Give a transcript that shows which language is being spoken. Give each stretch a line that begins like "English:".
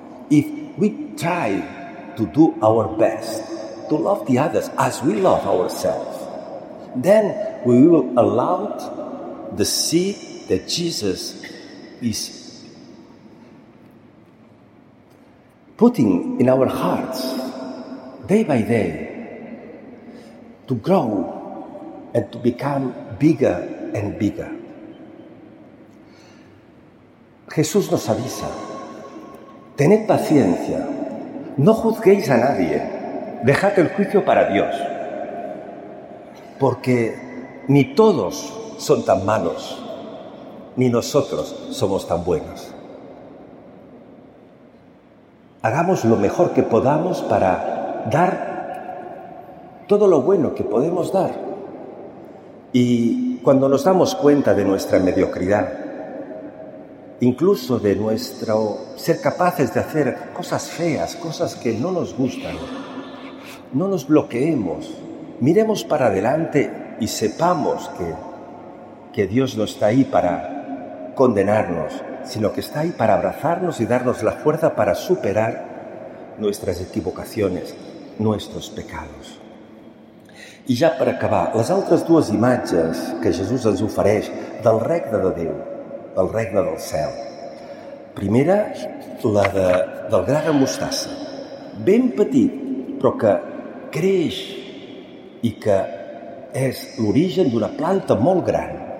English: If we try to do our best to love the others as we love ourselves, then we will allow the seed that Jesus is putting in our hearts day by day to grow and to become bigger and bigger.
Spanish: Jesús nos avisa: tened paciencia, no juzguéis a nadie, dejad el juicio para Dios. Porque ni todos son tan malos, ni nosotros somos tan buenos. Hagamos lo mejor que podamos para dar todo lo bueno que podemos dar. Y cuando nos damos cuenta de nuestra mediocridad, incluso de nuestro ser capaces de hacer cosas feas, cosas que no nos gustan, no nos bloqueemos, miremos para adelante y sepamos que Dios no está ahí para condenarnos, sino que está ahí para abrazarnos y darnos la fuerza para superar nuestras equivocaciones, nuestros pecados.
Catalan: I ja per acabar, les altres dues imatges que Jesús ens ofereix del regne de Déu, del regne del cel. Primera, la del gra de mostassa, ben petit, però que creix i que és l'origen d'una planta molt gran.